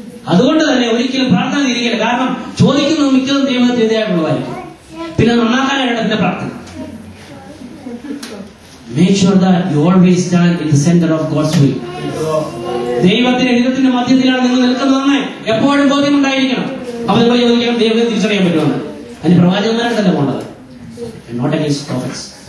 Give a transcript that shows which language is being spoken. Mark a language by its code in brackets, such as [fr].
[ml] അതുകൊണ്ട് തന്നെ ഒരിക്കലും പ്രാർത്ഥന തിരിക്കരുത്. കാരണം ചോദിക്കുന്നത് മിക്കതും ദൈവത്തിന് എതിരായിട്ടുള്ളതായിരിക്കും. പിന്നെ നന്നാക്കാനായിട്ട് എന്റെ പ്രാർത്ഥന, [en] Make sure that you always stand in the center of God's will. [ml] ദൈവത്തിന്റെ ഹിതത്തിന്റെ മധ്യത്തിലാണ് നിങ്ങൾ നിൽക്കുന്നതെന്ന് എപ്പോഴും ബോധ്യം ഉണ്ടായിരിക്കണം. അപ്പൊ നിങ്ങൾ ചോദിക്കണം, ദൈവത്തെ തിരിച്ചറിയാൻ പറ്റുമെന്ന്. അതിന് പ്രവാചകന്മാരല്ലേ പോണത്, [en] not against prophets.